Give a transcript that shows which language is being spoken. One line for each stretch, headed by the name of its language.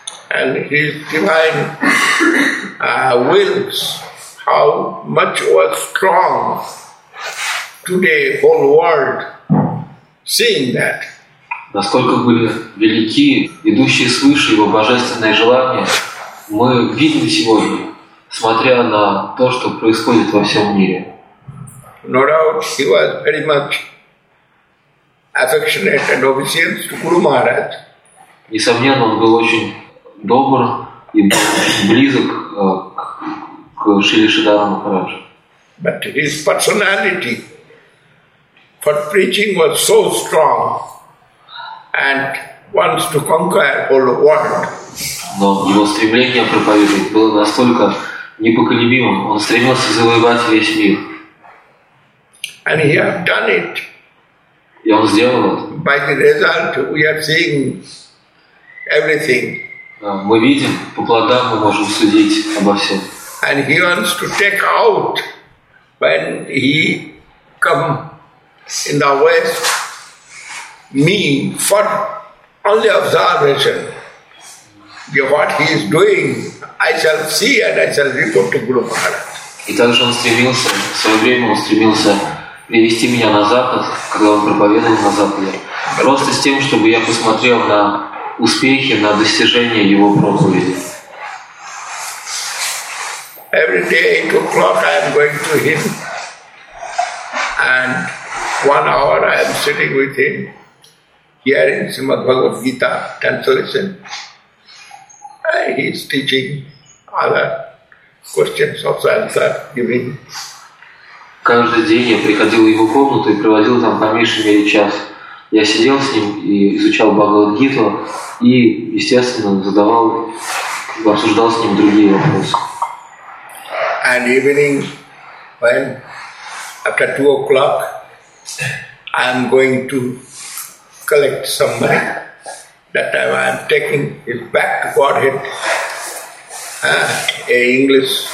English: And His Divine wills, how much was strong today whole world seeing that.
Russian: Насколько были велики, идущие свыше Его Божественные желания, мы видим сегодня, смотря на то, что происходит во всем мире.
English: No doubt, He was very much affectionate and obeisance to Guru Maharaj.
Russian: Несомненно, он был очень добр и близок к Шри Шридхара Махараджу.
English: But his personality for preaching was so strong and wants to conquer the whole world.
Russian: Но его стремление проповедовать было настолько непоколебимым. Он стремился завоевать весь мир.
English: And he had done it.
Russian: И он сделал это.
English: By the result, we are seeing everything.
Russian: Мы видим, по плодам мы можем судить обо всем.
English: And he wants to take out when he come in the West me for only observation. What he is doing, I shall see and I shall report to Guru Maharaj.
Russian: И также он стремился, в свое время он стремился привести меня на Запад, когда он проповедовал на Западе, просто с тем, чтобы я посмотрел на успехи, на достижения его проповеди.
English: Every day at 2 o'clock I am going to him, and 1 hour I am sitting with him, hearing Srimad Bhagavad Gita translation. He is teaching other questions of answer giving.
Russian: Каждый день я приходил в его комнату и проводил там по меньшей мере час. Я сидел с ним и изучал Бхагавад-гиту и, естественно, задавал, обсуждал с ним другие вопросы.
English: And evening, when after 2 o'clock, I am going to collect some money. That time I am taking his back to Godhead, a English